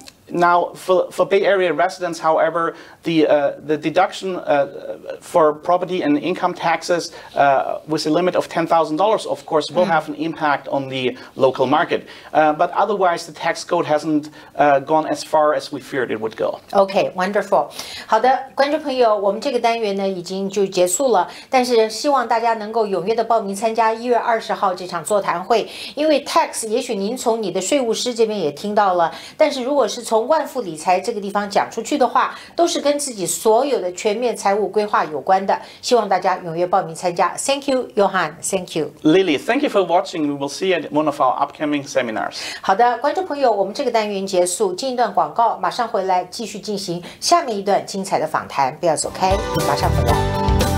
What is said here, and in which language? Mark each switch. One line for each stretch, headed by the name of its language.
English: Now, for Bay Area residents, however, the deduction for property and income taxes with a limit of $10,000, of course, will have an impact on the local market. But otherwise, the tax code hasn't gone as far as we feared it would go. Okay, wonderful.
Chinese: 好的，观众朋友，我们这个单元呢已经就结束了，但是希望大家能够踊跃的报名参加1月20号这场座谈会，因为 tax 也许您从你的税务师这边也听到了，但是如果是从万富理财这个地方讲出去的话，都是跟自己所有的全面财务规划有关的。希望大家踊跃报名参加。
English: Thank you, Johan. Thank you, Lily. Thank you for watching. We will see you at one of our upcoming seminars.
Chinese: 好的，观众朋友，我们这个单元结束，进一段广告，马上回来继续进行下面一段精彩的访谈。不要走开，马上回来。